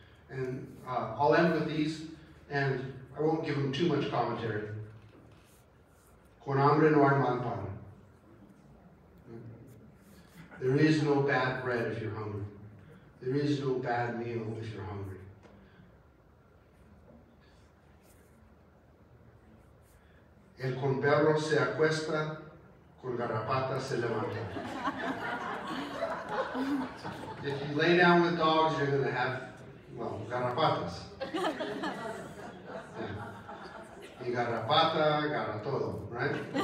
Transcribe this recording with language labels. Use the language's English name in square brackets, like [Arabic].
[English] And I'll end with these, and I won't give them too much commentary. [Spanish] Con hambre no hay mal pan. [English] There is no bad bread if you're hungry. There is no bad meal if you're hungry. [Spanish] El con perro se acuesta, con garrapata se levanta. [English] If you lay down with dogs, you're going to have, well, garrapatas. Yeah. [Spanish] Y garrapata, garra todo, [English] right?